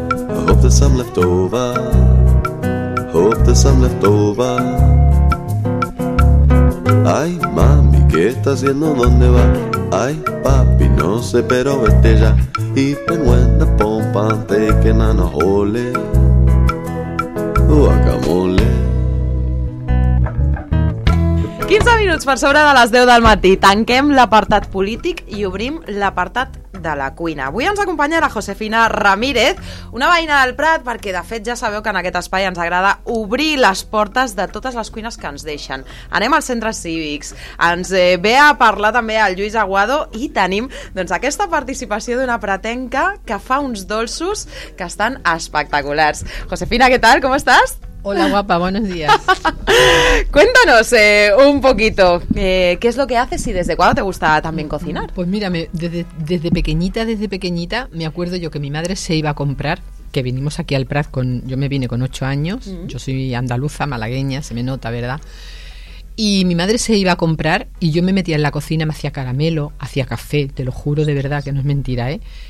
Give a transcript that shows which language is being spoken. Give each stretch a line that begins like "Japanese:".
English: I hope there's some left over, hope there's some left over.
Spanish: Ay, mami, ¿qué está haciendo? ¿Dónde va? Ay, papi, no sé, pero vete ya.
English: Even when the pump I'm taking on a hole, guacamole.
Catalan: 15 minuts per sobre de les 10 del matí. Tanquem l'apartat polític i obrim l'apartat de la cuina. Avui ens acompanya la Josefina Ramírez, una veïna del Prat, perquè de fet ja sabeu que en aquest espai ens agrada obrir les portes de totes les cuines que ens deixen. Anem als centres cívics. Ens ve a parlar també el Lluís Aguado i tenim doncs aquesta participació d'una pratenca que fa uns dolços que estan espectaculars. Josefina, què tal? Com estàs?
Spanish: Hola, guapa, buenos días. Cuéntanos un poquito, ¿qué es lo que haces y desde cuándo te gusta también cocinar? Pues mira, desde pequeñita, me acuerdo yo que mi madre se iba a comprar, que vinimos aquí al Prat, yo me vine con 8 años, uh-huh. Yo soy andaluza, malagueña, se me nota, ¿verdad? Y mi madre se iba a comprar y yo me metía en la cocina, me hacía caramelo, hacía café, te lo juro de verdad que no es mentira, ¿eh?